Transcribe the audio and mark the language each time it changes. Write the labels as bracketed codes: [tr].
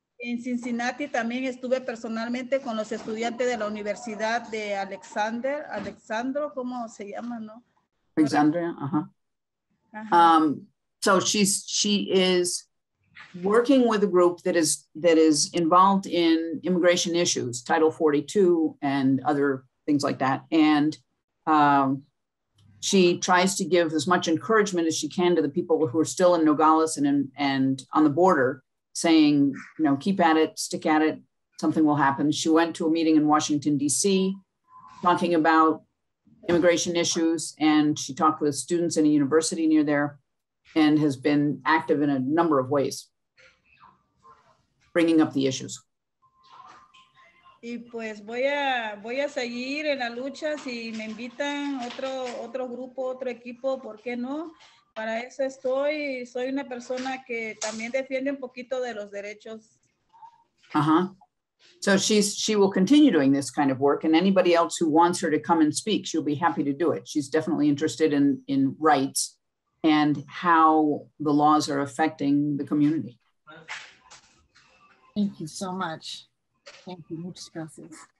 [es] En Cincinnati también estuve personalmente con los estudiantes de la Universidad de Alexandro, ¿cómo se llama, no? [en] Alexandria, uh-huh. So she is working with a group that is involved in immigration issues, Title 42 and other things like that. And she tries to give as much encouragement as she can to the people who are still in Nogales and on the border, saying, you know, keep at it, stick at it, something will happen. She went to a meeting in Washington, D.C., talking about immigration issues, and she talked with students in a university near there and has been active in a number of ways, bringing up the issues. [es] Y pues voy a seguir en la lucha si me invitan otro grupo, otro equipo, ¿por qué no? Para eso estoy, soy una persona que también defiende un poquito de los derechos. Uh-huh. [en] So she will continue doing this kind of work, and anybody else who wants her to come and speak, she'll be happy to do it. She's definitely interested in rights and how the laws are affecting the community. Thank you so much. Thank you. [es] Muchas gracias.